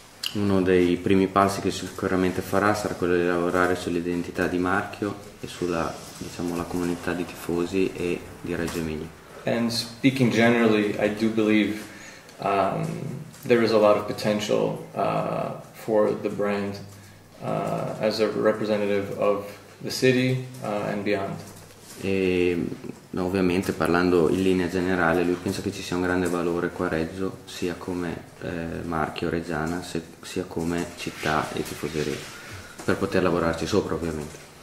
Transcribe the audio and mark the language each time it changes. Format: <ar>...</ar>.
<it>Uno dei primi passi che sicuramente farà sarà quello di lavorare sull'identità di marchio e sulla, diciamo, la comunità di tifosi e di Reggio Emilia.</it> <en>And speaking generally, I do believe there is a lot of potential for the brand as a representative of the city and beyond.</en> <it>E ovviamente parlando in linea generale, lui pensa che ci sia un grande valore qua a Reggio, sia come marchio reggiana, sia come città e tifoseria, per poter lavorarci sopra ovviamente.</it>